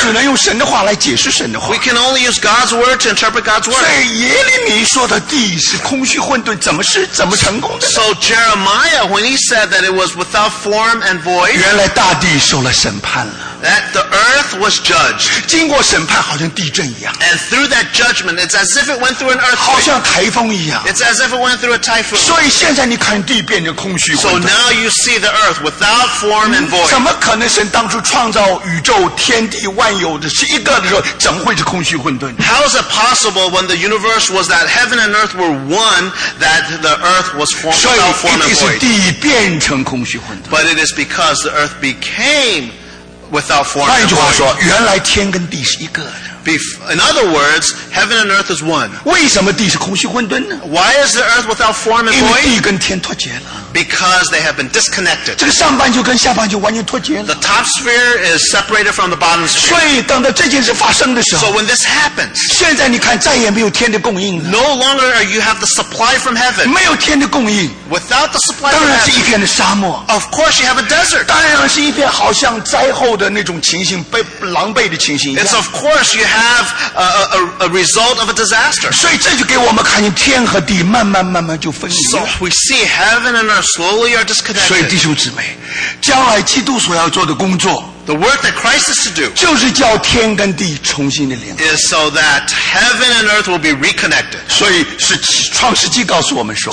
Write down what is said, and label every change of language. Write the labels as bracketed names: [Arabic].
[Chinese] 只能用神的话来解释神的话。 [English] We can only use God's word to interpret God's word. [Chinese] 所以耶利米说的地是空虚混沌，怎么成功的呢？ [English] So Jeremiah, when he said that it was without form and void, [Chinese] 原来大地受了审判了。 [English] That the earth was judged. [Chinese] 经过审判好像地震一样。 [English] And through that judgment, it's as if it went through an earthquake. [Chinese] 好像台风一样。 [English] It's as if it went through a typhoon. [Chinese] 所以现在你看地变成空虚混沌。 [English] So now you see the earth without form and void. [Chinese] 怎么可能神当初创造宇宙天地万有的是一个的时候，怎么会是空虚混沌？ [English] How is it possible when the universe was that heaven and earth were one that the earth was formed without form and void? [Chinese] 所以一定是地变成空虚混沌。 [English] But it is because the earth became. Without form. [Chinese] 换一句话说，原来天跟地是一个的。 [English] In other words, heaven and earth is one. [Chinese] 为什么地是空虚混沌呢？ [English] Why is the earth without form and void? [Chinese] 因为地跟天脱节了。 [English] Because they have been disconnected. [Chinese] 这个上半球跟下半球完全脱节了。 [English] The top sphere is separated from the bottom sphere. [Chinese] 所以等到这件事发生的时候。 [English] So when this happens. [Chinese] 现在你看再也没有天的供应了。 [English] No longer are you have the supply from heaven. [Chinese] 没有天的供应。 [English] Without the supply from heaven. [Chinese] 当然是一片的沙漠。 [English] Of course you have a desert. [Chinese] 当然是一片好像灾后的那种情形，被狼狈的情形一样。 [English] It's of course you have a result of a disaster. [Chinese] 所以这就给我们看见天和地慢慢慢慢就分离。 [English] So we see heaven and earth slowly are disconnected. [Chinese] 所以弟兄姊妹，将来基督所要做的工作。 [English] The work that Christ is to do [Chinese] 就是叫天跟地重新的联合 [English] is so that heaven and earth will be reconnected. [Chinese] 所以是创世纪告诉我们说